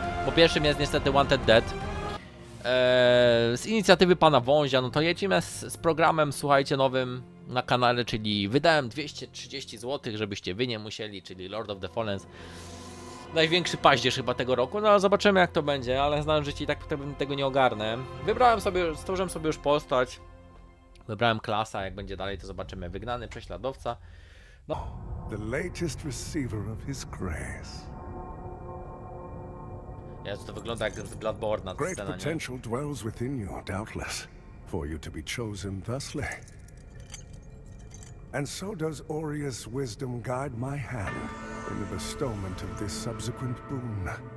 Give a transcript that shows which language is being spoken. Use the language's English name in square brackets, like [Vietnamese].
[Polish] Po pierwszym jest niestety Wanted Dead. Z inicjatywy pana Wązia, no to jedziemy z programem, słuchajcie, nowym na kanale, czyli wydałem 230 zł, żebyście wy nie musieli, czyli Lord of the Fallen. Największy paździerz chyba tego roku, no zobaczymy jak to będzie, ale znam życie i tak tego nie ogarnę. Wybrałem sobie, stworzyłem sobie już postać. Wybrałem klasa, jak będzie dalej to zobaczymy. Wygnany, prześladowca. No. [English] The latest receiver of his grace. [Polish] Jezu, to wygląda jak z Bloodborne, ta scena, nie? [English] Great potential dwells within you, doubtless, for you to be chosen thusly. And so does Aurea's wisdom guide my hand in the bestowment of this subsequent boon.